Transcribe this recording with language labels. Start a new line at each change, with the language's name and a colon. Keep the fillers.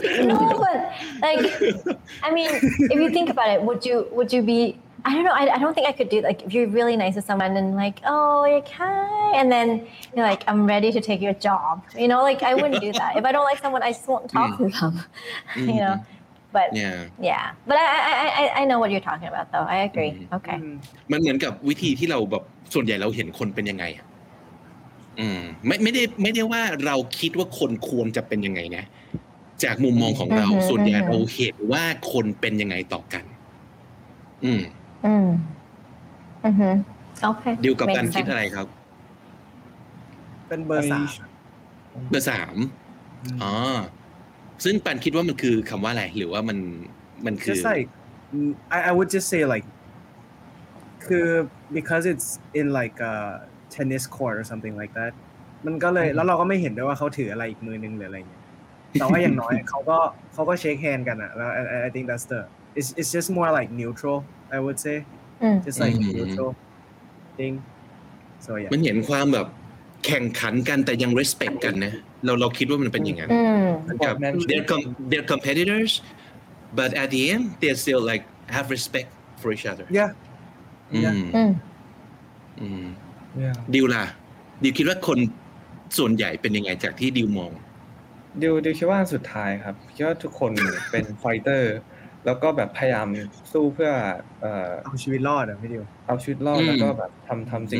English: no, but like, I mean, if you think about it, would you would you be? I don't know. I, I don't think I could do like if you're really nice to someone and like, oh, like hi, and then you're like, I'm ready to take your job. You know, like I wouldn't do that. If I don't like someone, I just won't talk to them. You know, but yeah, Yeah. but I- I, I I I know what you're talking about though. I agree. Okay.
Thai: มันเหมือนกับวิธีที่เราแบบส่วนใหญ่เราเห็นคนเป็นยังไงอะอืมไม่ไม่ได้ไม่ได้ว่าเราคิดว่าคนควรจะเป็นยังไงนะ จากมุมมองของเรา อือฮึ ส่วนใหญ่ อือฮึ เราเห็นว่าคนเป็นยังไงต่อกัน อืม
English: Mm. Mhm. Okay.
Thai: ดิวกับ
English: Makes
Thai: การคิด
English: sense.
Thai: อะไรครับ เป็นเบอร์สาม เบอร์สามอ๋อซึ่งปันคิดว่ามันคือคำว่าอะไร หรือว่ามันมันคือ
English: just like mm, I, I would just say like
Thai: คือ
English: because it's in like a tennis court or something like that
Thai: มันก็เลยแล้วเราก็ไม่เห็นด้วยว่าเขาถืออะไรอีกมือนึงหรืออะไรอย่างเงี้ยแต่ว่าอย่างน้อย เขาก็เขาก็เชคแฮนด์กันอะแล้ว
English: I- I, I think that's the it's it's just more like neutral I would say
Thai: อืม
English: just like
Thai: อืม
English: neutral thing so yeah
Thai: มันเห็นความแบบแข่งขันกันแต่ยัง respect กันนะ เราเราคิดว่ามันเป็นอย่างนั้น อืม
English: Yeah, they're com- they're competitors, but at the end they still like have respect for each other. yeah
Thai: อืม อืม อืม
English: yeah
Thai: ดิวล่ะดิวคิดว่าคนส่วนใหญ่เป็นยังไงจากที่ดิวมอง ดิวดิวคิดว่าสุดท้ายครับคิดว่าทุกคนเป็นไฟเตอร์ แล้วก็แบบพยายามสู้เพื่อเอ่อ เอาชีวิตรอดอะพี่ดิว เอาชีวิตรอด อืม แล้วก็แบบทำทำสิ่ง